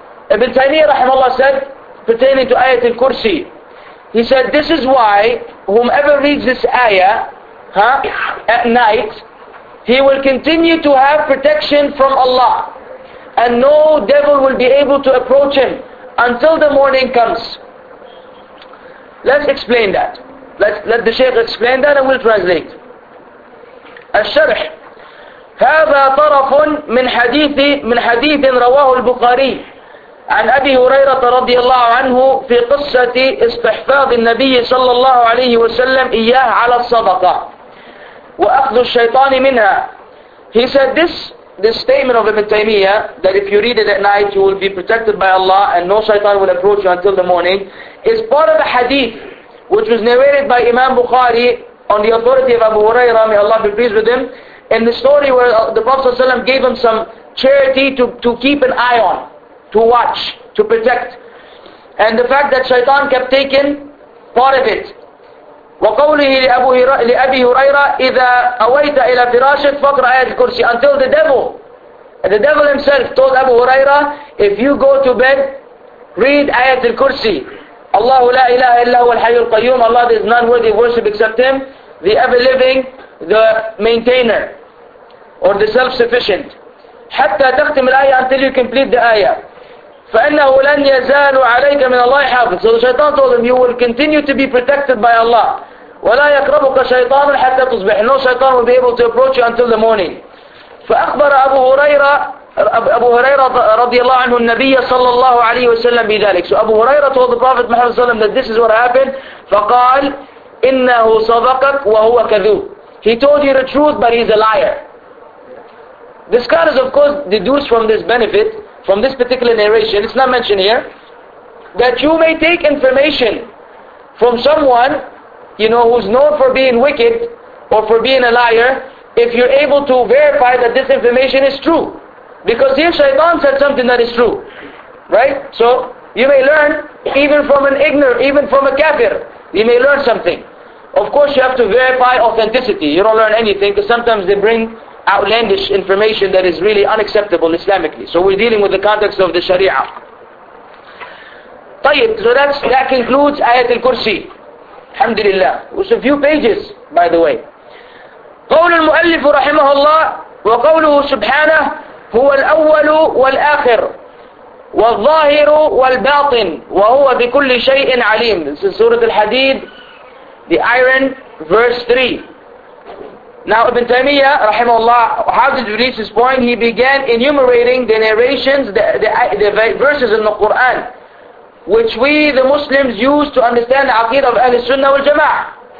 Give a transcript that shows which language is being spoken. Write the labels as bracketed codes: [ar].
[en] Ibn Taymiyyah rahimahullah said, pertaining to Ayat al-Kursi, he said, this is why whomever reads this ayah at night, he will continue to have protection from Allah, and no devil will be able to approach him until the morning comes. Let's explain that. let the Shaykh explain that and we'll translate. [ar] الشرح هذا طرف من حديث رواه البخاري عن أبي هريرة رضي الله عنه في قصة استحفاظ النبي صلى الله عليه وسلم إياه على الصدقة وأخذ الشيطان منها. [en] He said this statement of Ibn Taymiyyah, that if you read it at night you will be protected by Allah and no shaitan will approach you until the morning, is part of a hadith which was narrated by Imam Bukhari on the authority of Abu Hurairah, may Allah be pleased with him, in the story where the Prophet ﷺ gave him some charity to keep an eye on, to watch, to protect. And the fact that shaitan kept taking part of it. [ar] وقوله لأبي هريرة إذا أويت إلى فراشك فقرأ آية الكرسي. [en] Until the devil himself told Abu Huraira, if you go to bed, read آيات الكرسي. [ar] الله لا إله إلا هو الحي القيوم. [en] Allah is none worthy of worship except Him, the ever living, the maintainer, or the self sufficient. [ar] حتى تختم الآية, [en] until you complete the ayah. [ar] فإنه لن يزال عليك من الله حافظ. [en] So the shaitan told him, you will continue to be protected by Allah. [ar] ولا يقربك شيطان حتى تصبح. [en] No shaitan will be able to approach you until the morning. [ar] فأخبر أبو هريرة رضي الله عنه النبي صلى الله عليه وسلم بذلك. [en] So Abu Huraira told the Prophet Muhammad صلى الله عليه وسلم that this is what happened. [ar] فقال إنه صدقك وهو كذوب. [en] He told you the truth but he's a liar. This scholar is of course deduced from this benefit, from this particular narration, it's not mentioned here, that you may take information from someone, you know, who's known for being wicked or for being a liar, if you're able to verify that this information is true. Because here Shaitan said something that is true. Right? So you may learn even from an ignorant, even from a kafir, you may learn something. Of course you have to verify authenticity. You don't learn anything because sometimes they bring outlandish information that is really unacceptable Islamically. So we're dealing with the context of the Sharia. طيب, so that concludes Ayat al-Kursi. Alhamdulillah. It was a few pages, by the way. [ar] قول المؤلف رحمه الله وقوله سبحانه هو الأول والآخر والظاهر والباطن وهو بكل شيء عليم. [en] This is Surah Al-Hadid, the Iron, verse 3. Now Ibn Taymiyyah, rahimahullah, how did he reach this point? He began enumerating the narrations, the verses in the Quran, which we the Muslims use to understand the aqeedah of Ahl Sunnah wal Jama'ah.